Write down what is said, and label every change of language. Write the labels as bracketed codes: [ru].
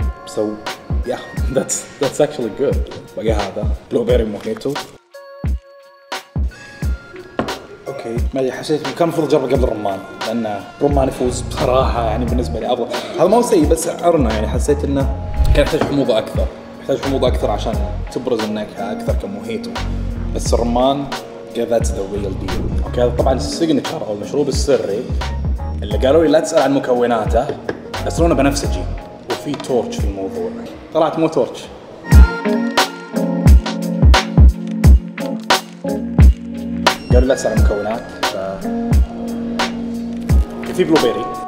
[en] So yeah that's actually good. [ar] بقى هذا بلو بيري موهيتو. ما ادري حسيت كان المفروض اجربه قبل الرمان، لان الرمان يفوز بصراحه، يعني بالنسبه لي افضل. هذا ما هو سيء بس ارنا، يعني حسيت انه كان يحتاج حموضه اكثر، يحتاج حموضه اكثر عشان تبرز النكهه اكثر كموهيتو. بس الرمان [en] yeah, that's the real deal. [ar] اوكي هذا طبعا السيجنتشر او المشروب السري اللي قالوا لي لا تسال عن مكوناته، بس لونه بنفسجي وفي تورتش في الموضوع. طلعت مو تورتش. قالوا لا سعر مكونات في بلوبيري.